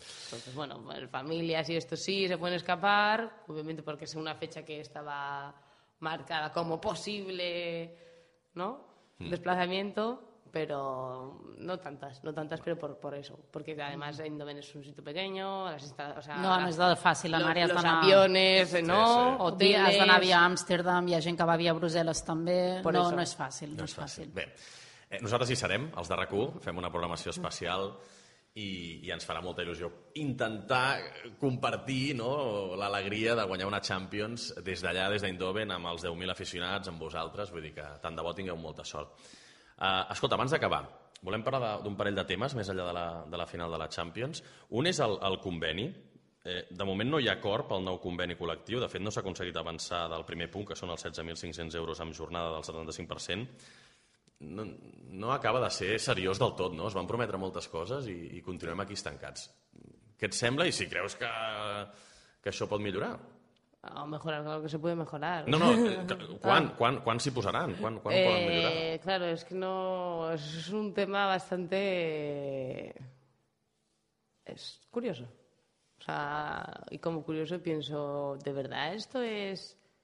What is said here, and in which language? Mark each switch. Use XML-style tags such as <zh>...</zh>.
<es>Entonces, bueno, familias y esto sí, se pueden escapar, obviamente porque es una fecha que estaba marcada como posible, ¿no? Desplazamiento, pero no tantas, pero por eso. Porque además Eindhoven es un sitio pequeño, no es tan fácil, aviones, ¿no? Sí. Hoteles...</es> <ca>Has d'anar via Amsterdam, hi ha gent que va via Brussel·les també, no és fàcil. Bé, nosaltres hi serem, els de RAC1, fem una programació especial... I ens farà molta il·lusió intentar compartir, no, l'alegria de guanyar una Champions des d'allà, des d'Eindhoven, amb els 10.000 aficionats, amb vosaltres. Vull dir que tant de bo tingueu molta sort. Escolta, abans d'acabar, volem parlar d'un parell de temes més enllà de la final de la Champions. Un és el conveni. De moment no hi ha acord pel nou conveni col·lectiu. De fet, no s'ha aconseguit avançar del primer punt, que són els 16.500 euros amb jornada del 75%. No acaba de ser seriós del tot, no? Es van prometre moltes coses i continuem aquí estancats. Què et sembla i si creus que això pot millorar?</ca> <es>O mejorar lo que se puede mejorar.</es> <ca>No, quan s'hi posaran? Quan poden millorar?</ca> <es>Claro, es que no... Es un tema bastante... Es curioso. O sea, y como curioso pienso, ¿de verdad esto es...?</es>